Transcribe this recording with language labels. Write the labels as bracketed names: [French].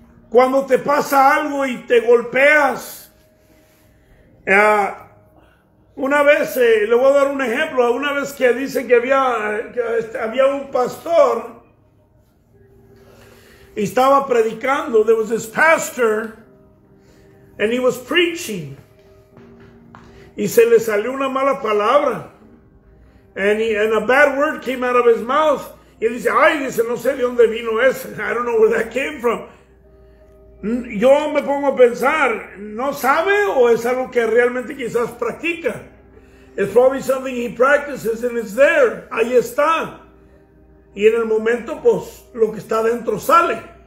[Spanish] Cuando te pasa algo y te golpeas, una vez, le voy a dar un ejemplo, una vez que dicen que había un pastor y estaba predicando, [English] there was this pastor and he was preaching [Spanish] y se le salió una mala palabra [English] and a bad word came out of his mouth [Spanish] y él dice, ay, dice, no sé de dónde vino ese, [English] I don't know where that came from. [Spanish] Yo me pongo a pensar, ¿no sabe o es algo que realmente quizás practica? [English] It's probably something he practices and it's there. [Spanish] Ahí está. Y en el momento, pues, lo que está dentro sale.